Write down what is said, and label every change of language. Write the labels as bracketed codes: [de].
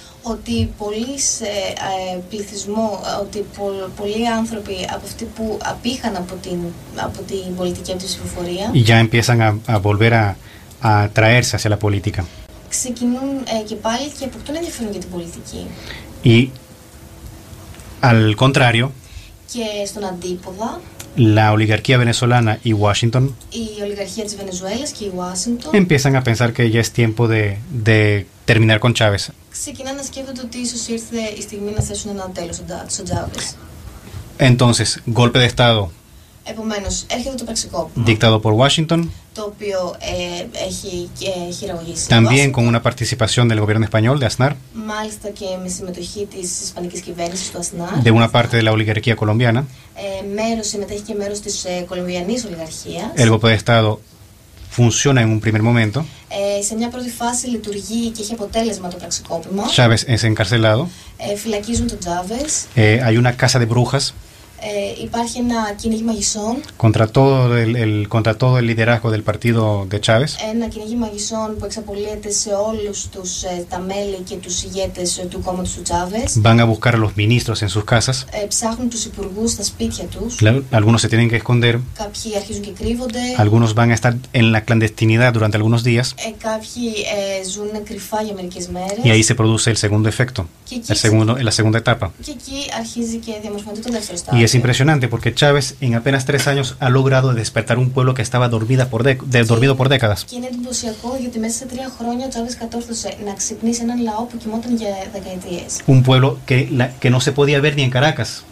[el] Ότι πολλοίς πληθυσμό, ότι πολλοί άνθρωποι από αυτοί που απήχαν από την πολιτική από την ψηφοφορία [es] ya empiezan a volver a traerse hacia la política. [el] Ξεκινούν και πάλι και αποκτούν ενδιαφέρον για την πολιτική. [es] Y al contrario, [el] και στον αντίποδα, [es] la oligarquía venezolana y Washington, [el] η ολιγαρχία της Βενεζουέλας και η Washington, [es] empiezan a pensar que ya es tiempo de terminar con Chávez. [el] Ξεκινά να σκέφτονται ότι ίσως ήρθε η στιγμή να θέσουν ένα τέλος στον Τσάβες. [es] Entonces, golpe de estado. [el] Επομένως, έρχεται το πραξικόπημα. [es] Dictado por Washington. [el] Το οποίο έχει χειραγωγήσει. [es] También con una participación del gobierno español de Aznar. [el] Μάλιστα και με συμμετοχή της ισπανικής κυβέρνησης του Aznar. [es] De una parte de la oligarquía colombiana. [el] Συμμετέχει και μέρος της κολομβιανής ολιγαρχίας. [es] El golpe de estado funciona en un primer momento. [el] Σε μια πρώτη φάση λειτουργεί και έχει αποτέλεσμα το πραξικόπημα. [es] Chávez es encarcelado. [el] Φυλακίζουν τον Chávez. [es] Hay una casa de brujas. [el] Υπάρχει ένα κυνήγι μαγισσών. [es] Contra todo el liderazgo del partido de Chávez. [el] Ένα κυνήγι μαγισσών που εξαπολύεται σε όλους τους τα μέλη και τους ηγέτες του κόμματος του Chávez. [es] Van a buscar a los ministros en sus casas. [el] Ψάχνουν τους υπουργούς στα σπίτια τους. [es] Algunos se tienen que esconder. [el] Κάποιοι αρχίζουν και κρύβονται. [es] Algunos van a estar en la clandestinidad durante algunos días. [el] Κάποιοι ζουν κρυφά για μερικές μέρες. [es] Y ahí se produce el segundo efecto. La segunda etapa. [el] Και εκεί αρχίζει και διαμορφώνεται το δεύτερο στάδιο. [es] Y es impresionante porque Chávez en apenas 3 años ha logrado despertar un pueblo que estaba dormido por décadas. [el] Και είναι εντυπωσιακό γιατί μέσα σε 3 χρόνια ο Chávez κατόρθωσε να ξυπνήσει έναν λαό που κοιμόταν για δεκαετίες. [es] Un pueblo que no se podía ver ni en Caracas.